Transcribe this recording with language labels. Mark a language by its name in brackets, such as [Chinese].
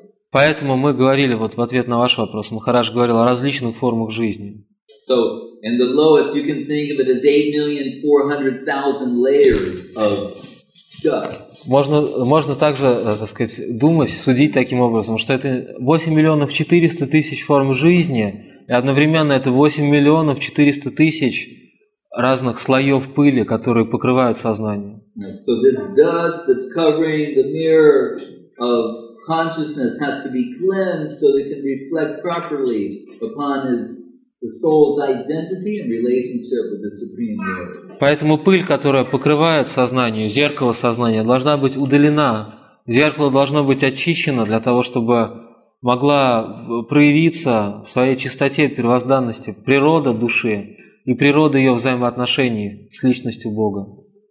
[Russian] Поэтому мы говорили вот в ответ на ваш вопрос, Махарадж говорил о различных формах жизни. [English] So, in the lowest, you can think of it as 8,400,000 layers of dust. [Russian] Можно также, так сказать, думать, судить таким образом, что это 8,400,000 форм жизни, и одновременно это 8,400,000 разных слоев пыли, которые покрывают сознание. [English] So this dust that's covering the mirror of consciousness has to be cleansed so that it can reflect properly upon the soul's identity and relationship with the Supreme Lord. [Russian] Поэтому пыль, которая покрывает сознание, зеркало сознания, должна быть удалена. Зеркало должно быть очищено для того, чтобы могла проявиться в своей чистоте, первозданности природа души и природа ее взаимоотношений с личностью Бога.